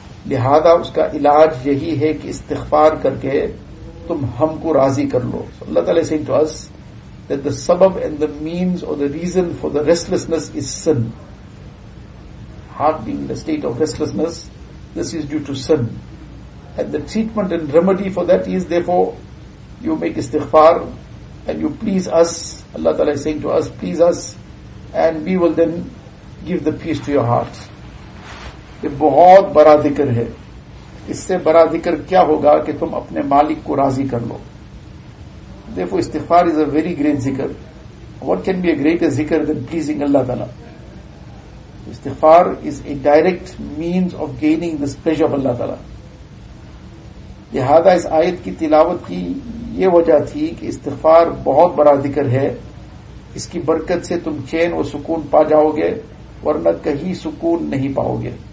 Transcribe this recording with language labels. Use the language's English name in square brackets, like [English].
[Urdu] لہذا اس کا علاج یہی ہے کہ استغفار کر کے تم ہم کو راضی کر لو. [English] So Allah Ta'ala is saying to us that the sabab and the means or the reason for the restlessness is sin. Heart being in a state of restlessness, this is due to sin. And the treatment and remedy for that is therefore you make istighfar and you please us. Allah Ta'ala is saying to us, please us and we will then give the peace to your heart. [Urdu] یہ بہت بڑا ذکر ہے. اس سے بڑا ذکر کیا ہوگا کہ تم اپنے مالک کو راضی کر لو. [English] Therefore استغفار is a very great ذکر. What can be a greater zikr than pleasing Allah Ta'ala? Istighfar is a direct means of gaining this pleasure of Allah Ta'ala. [Urdu] لہذا اس آیت کی تلاوت کی یہ وجہ تھی کہ استغفار بہت بڑا ذکر ہے اس کی برکت سے تم چین و سکون پا جاؤ گے ورنہ کہیں سکون نہیں پاؤ گے